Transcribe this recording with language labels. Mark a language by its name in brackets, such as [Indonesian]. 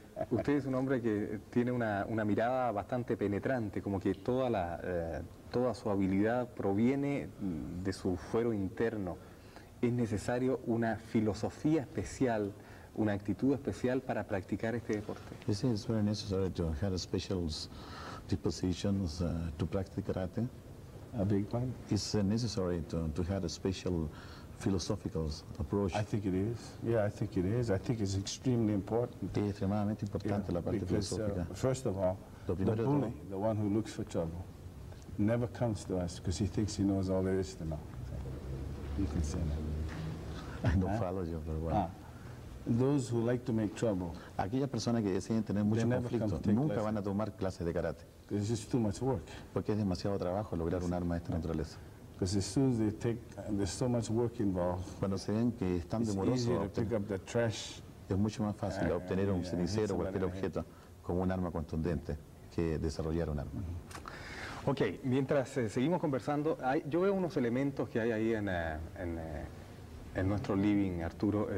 [Spanish] Usted es un hombre que tiene una mirada bastante penetrante, como que toda su habilidad proviene de su fuero interno. ¿Es necesario una filosofía especial, una actitud especial para practicar este deporte? Sí, es muy necesario tener una disposición especial para practicar karate. [English] a big planet? It's necessary to have a special philosophical approach. I think it is. Yeah, I think it is. I think it's extremely important. [Spanish] Es extremadamente importante la parte filosófica. [English] First of all, the bully, the one who looks for trouble, never comes to us because he thinks he knows all there is to know. You can say that. I don't follow you very well. Those who like to make trouble, [Spanish] aquellas personas que deciden tener mucho conflicto nunca van a tomar clases de karate. [English] It's just too much work. [Spanish] Porque es demasiado trabajo lograr un arma de esta naturaleza. [English] Because as soon as they take, there's so much work involved. [Spanish] Cuando se ven que es tan demoroso, es mucho más fácil obtener un cenicero o cualquier objeto como un arma contundente que desarrollar un arma. Ok, mientras seguimos conversando, yo veo unos elementos que hay ahí en nuestro living, Arturo.